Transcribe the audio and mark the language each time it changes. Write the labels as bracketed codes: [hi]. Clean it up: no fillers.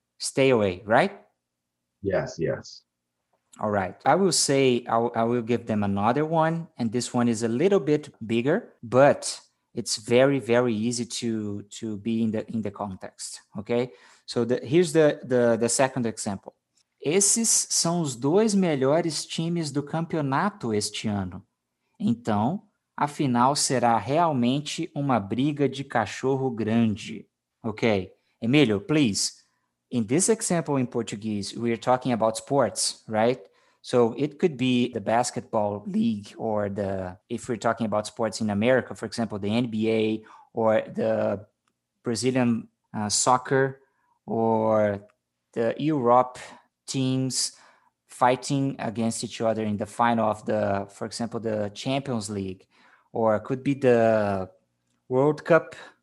[en] Stay away, right? Yes. All right. I will say, I will give them another one. And this one is a little bit bigger, but it's very, very easy to be in the context. Okay. So here's the second example. [pt] Esses são os dois melhores times do campeonato este ano. Então, a final será realmente uma briga de cachorro grande. [en] Okay. Emilio, please. In this example in Portuguese, we are talking about sports, right? So it could be the basketball league or the, if we're talking about sports in America, for example, the NBA or the Brazilian soccer or the Europe teams fighting against each other in the final of the, for example, the Champions League, or it could be the World Cup.